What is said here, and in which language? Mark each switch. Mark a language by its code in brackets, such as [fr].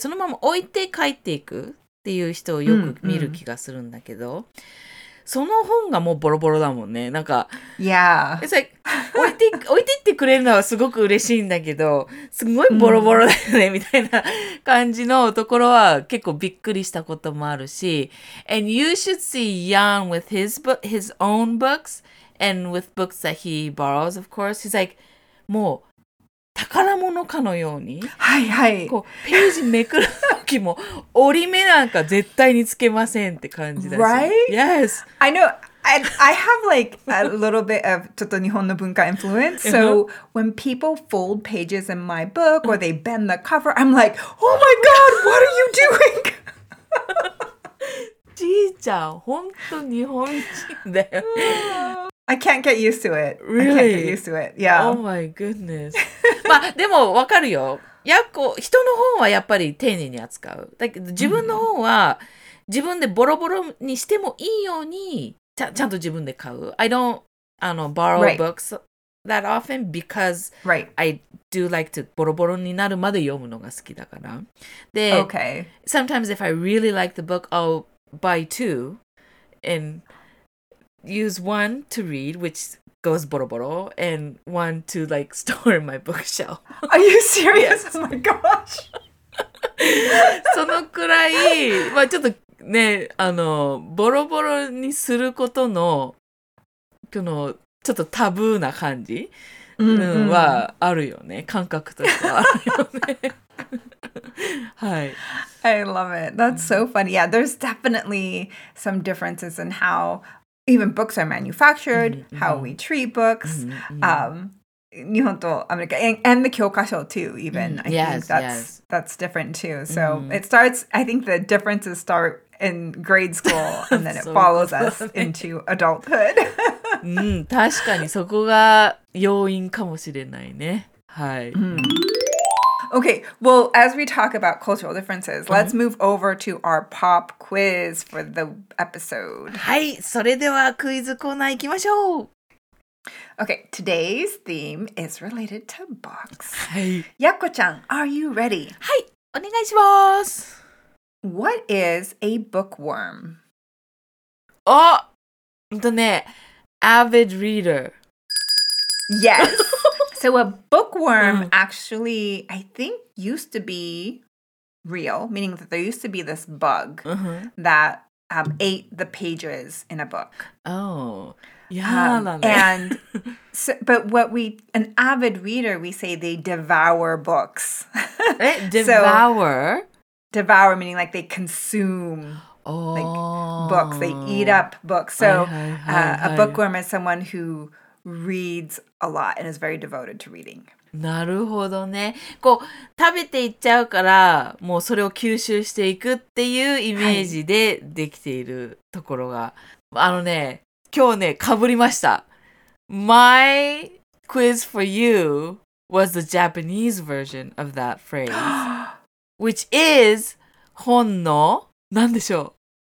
[ja] そのまま置いて帰っていくっていう人をよく見る気がするんだけど。 Mm-hmm. その本がもうボロボロだもんね。なんか、 yeah. [en] It's like, [ja] 置いてってくれるのはすごく嬉しいんだけど、すごいボロボロだよね、mm. みたいな感じのところは結構びっくりしたこともあるし。 [en] And you should see Jan with his own books and with books that he borrows, of course. He's like, [ja] もう宝物かのように。はいはい。こう、ページめくる。も折り目なんか絶対につけませんって感じだし [en] Right? Yes. I know. I have like a little bit of [ja] ちょっと日本の文化 [en] influence. So when people fold pages in my book or they bend the cover, I'm like, oh my god, what are you doing? [ja] じいちゃん、本当日本人だよ。 [en] I can't get used to it. Really? I can't get used to it. Yeah. Oh my goodness. [ja] まあ、でもわかるよ。やっこ人の本はやっぱり丁寧に扱う。だけど自分の本は自分でボロボロにしてもいいようにちゃんと自分で買う。 [en] I don't borrow、 right. books that often because、 right. I do like to [ja] ボロボロになるまで読むのが好きだから。で、 [en] okay. sometimes if I really like the book, I'll buy two and use one to read, which... goes boro boro and one to like store in my bookshelf. Are you serious? Yes. Oh my gosh. [ja] そのくらい、まあちょっとね、あのボロボロにすることのこのちょっとタブーな感じ、 mm-hmm. うん、はあるよね。感覚としてはあるよね。はい。 [en] I love it. That's so funny. Yeah, there's definitely some differences in how.Even books are manufactured, mm-hmm. how we treat books. Mm-hmm. [ja] 日本とアメリカ [en] and the 教科書 too even、mm. I yes, think that's、 yes. that's different too so、mm. it starts I think the differences start in grade school and then it follows us into adulthood [ja] うん確かにそこが要因かもしれないねはい、mm. [en] Okay well as we talk about cultural differences、mm. let's move over to our pop quiz for the episode [ja] はいそれではクイズコーナー行きましょう [en] Okay, today's theme is related to books. Hey. Yakko-chan, are you ready? [ja] Hai, onegai shimasu. [en] What is a bookworm? Oh, avid reader. Yes. So a bookworm actually, I think, used to be real, meaning that there used to be this bug that ate the pages in a book. Oh, and so, but what we an avid reader we say they devour books. devour, so, devour meaning like they consume、 oh. like books. They eat up books. So a bookworm is someone who reads a lot and is very devoted to reading. [ja] なるほどね。こう食べていっちゃうからもうそれを吸収していくっていうイメージでできているところが、はい、あのね。今日ね、かぶりました。 [en] My quiz for you was the Japanese version of that phrase, which is [ja] 本の、なんでしょう。